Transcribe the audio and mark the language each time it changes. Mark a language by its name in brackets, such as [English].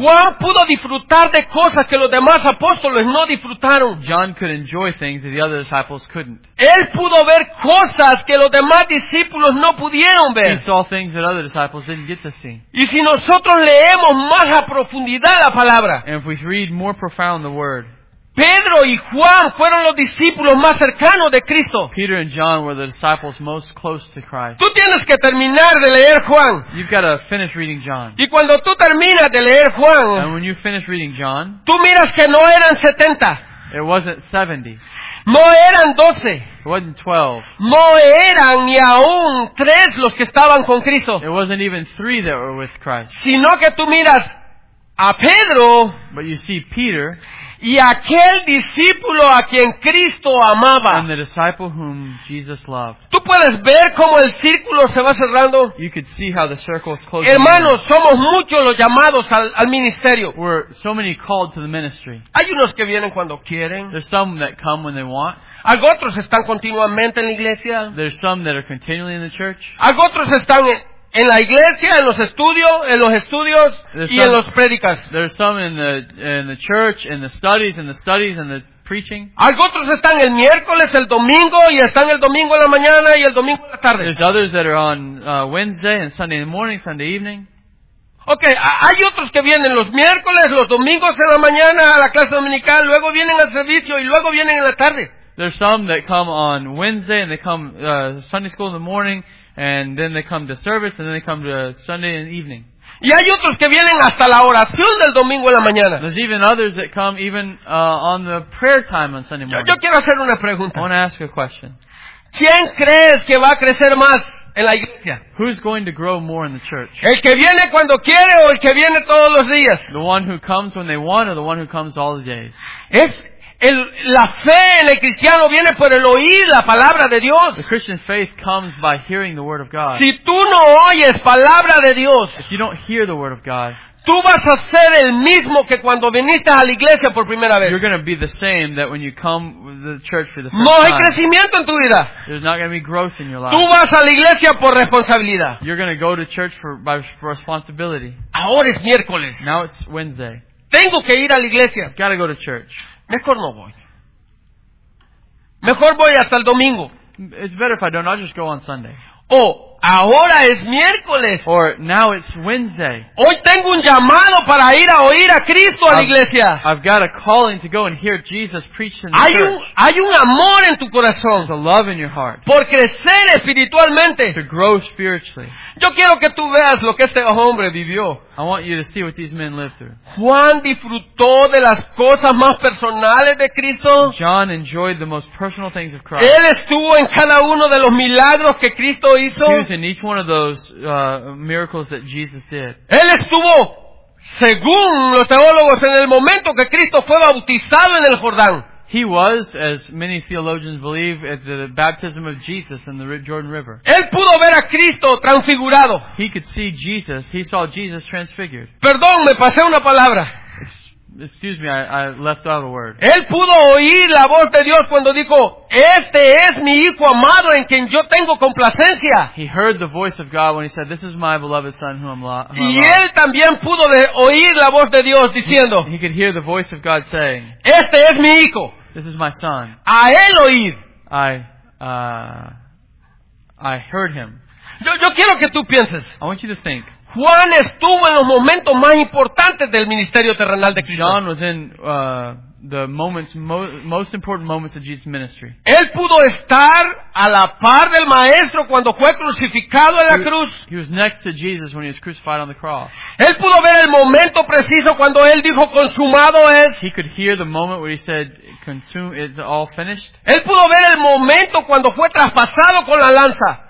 [Spanish] Juan pudo disfrutar de cosas que los demás apóstoles no disfrutaron. [English] John could enjoy things that the other disciples couldn't. [Spanish] Él pudo ver cosas que los demás discípulos no pudieron ver. [English] He saw things that other disciples didn't get to see. [Spanish] Y si nosotros leemos más a profundidad la palabra, [English] and if we read more profound the word, [Spanish] Pedro y Juan fueron los discípulos más cercanos de Cristo. [English] Peter and John were the disciples most close to Christ. [Spanish] Tú tienes que terminar de leer Juan. [English] You've got to finish reading John. [Spanish] Y cuando tú terminas de leer Juan, [English] and when you finish reading John, [Spanish] tú miras que no eran 70. [English] It wasn't 70. [Spanish] No eran 12. [English] It wasn't 12. [Spanish] No eran ni aún 3 los que estaban con Cristo. [English] It wasn't even 3 that were with Christ. [Spanish] Sino que tú miras a Pedro, [English] but you see Peter, [Spanish] y aquel discípulo a quien Cristo amaba. [English] And the disciple whom Jesus loved. [Spanish] Tú puedes ver cómo el círculo se va cerrando. [English] You could see how the circle is closing. [Spanish] Hermanos, somos muchos los llamados al ministerio. [English] We're so many called to the ministry. [Spanish] Hay unos que vienen cuando quieren. [English] There's some that come when they want. [Spanish] Hay otros están continuamente en la iglesia. [English] There's some that are continually in the church. [Spanish] Hay otros están en la iglesia, en los estudios y en los predicas. [English] There's some in the church, in the studies, in the preaching. [Spanish] Algunos están el miércoles, el domingo, y están el domingo en la mañana y el domingo en la tarde. [English] There's others that are on Wednesday and Sunday morning, Sunday evening. [Spanish] Okay, hay otros que vienen los miércoles, los domingos en la mañana a la clase dominical, luego vienen al servicio y luego vienen en la tarde. [English] There's some that come on Wednesday and they come Sunday school in the morning, and then they come to service, and then they come to Sunday and evening. [Spanish] Y hay otros que vienen hasta la oración del domingo en la mañana. [English] There's even others that come even on the prayer time on Sunday morning. [Spanish] Yo quiero hacer una pregunta. [English] I want to ask a question. [Spanish] ¿Quién crees que va a crecer más en la iglesia? [English] Who's going to grow more in the church? [Spanish] ¿El que viene cuando quiere o el que viene todos los días? [English] The one who comes when they want or the one who comes all the days? [Spanish] La fe en el cristiano viene por el oír la palabra de Dios. [English] The Christian faith comes by hearing the word of God. [Spanish] Si tú no oyes palabra de Dios, [English] if you don't hear the word of God, [Spanish] tú vas a ser el mismo que cuando viniste a la iglesia por primera vez. [English] You're going to be the same that when you come to the church for the first time. [Spanish] No hay crecimiento en tu vida. [English] There's not going to be growth in your life. [Spanish] Tú vas a la iglesia por responsabilidad. [English] You're going to go to church for responsibility. [Spanish] Ahora es miércoles. [English] Now it's Wednesday. [Spanish] Tengo que ir a la iglesia. [English] Got to go to church. [Spanish] Mejor no voy. Mejor voy hasta el domingo. [English] It's better if I don't. I'll just go on Sunday. [Spanish] Oh, ahora es miércoles. [English] Or now it's Wednesday. [Spanish] Hoy tengo un llamado para ir a oír a Cristo a la iglesia. [English] I've got a calling to go and hear Jesus preach in the [Spanish] hay [English] church. [Spanish] Hay un amor en tu corazón. [English] There's a love in your heart. [Spanish] Por crecer espiritualmente. [English] To grow spiritually. [Spanish] Yo quiero que tú veas lo que este hombre vivió. [English] I want you to see what these men lived through. [Spanish] Juan disfrutó de las cosas más personales de Cristo. [English] John enjoyed the most personal things of Christ. [Spanish] Él estuvo en cada uno de los milagros que Cristo hizo. [English] He was in each one of those miracles that Jesus did. [Spanish] Él estuvo, según los teólogos, en el momento que Cristo fue bautizado en el Jordán. [English] He was, as many theologians believe, at the baptism of Jesus in the Jordan River. [Spanish] Él pudo ver a Cristo transfigurado. [English] He could see Jesus. He saw Jesus transfigured. [Spanish] Perdón, me pasé una palabra. [English] Excuse me, I left out a word. [Spanish] Él pudo oír la voz de Dios cuando dijo, este es mi hijo amado en quien yo tengo complacencia. [English] He heard the voice of God when he said, this is my beloved son whom I love. [Spanish] Y él también pudo oír la voz de Dios diciendo, [English] he could hear the voice of God saying, [Spanish] este es mi hijo. [English] This is my son. [Spanish] A él oír. [English] I heard him. [Spanish] Yo quiero que tú pienses. [English] I want you to think. [Spanish] Juan estuvo en los momentos más importantes del ministerio terrenal de Cristo. [English] John was in the moments, most important moments of Jesus' ministry. [Spanish] Él pudo estar a la par del maestro cuando fue crucificado en la cruz. [English] He was next to Jesus when he was crucified on the cross. [Spanish] Él pudo ver el momento preciso cuando él dijo consumado es. [English] He could hear the moment where he said consumed, it's all finished. [Spanish] Él pudo ver el momento cuando fue traspasado con la lanza.